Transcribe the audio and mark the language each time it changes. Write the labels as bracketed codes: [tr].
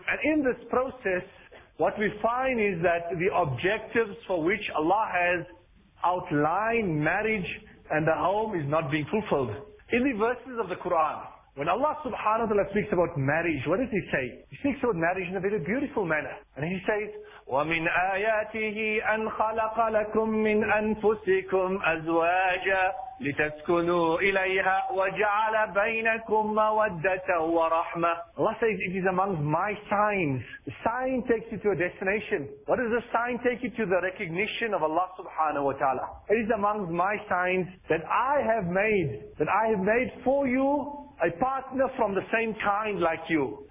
[en] And in this process, what we find is that the objectives for which Allah has outlined marriage and the home is not being fulfilled. In the verses of the Quran, when Allah subhanahu wa ta'ala speaks about marriage, what does He say? He speaks about marriage in a very beautiful manner. And He says, [ar] وَمِنْ آيَاتِهِ أَنْ خَلَقَ لَكُمْ مِنْ أَنفُسِكُمْ أَزْوَاجًا لِتَسْكُنُوا إِلَيْهَا وَجَعَلَ بَيْنَكُمْ مَوَدَّةً وَرَحْمَةً. [en] Allah says, it is among my signs. The sign takes you to a destination. What does the sign take you to? The recognition of Allah subhanahu wa ta'ala. It is among my signs that I have made, for you a partner from the same kind like you.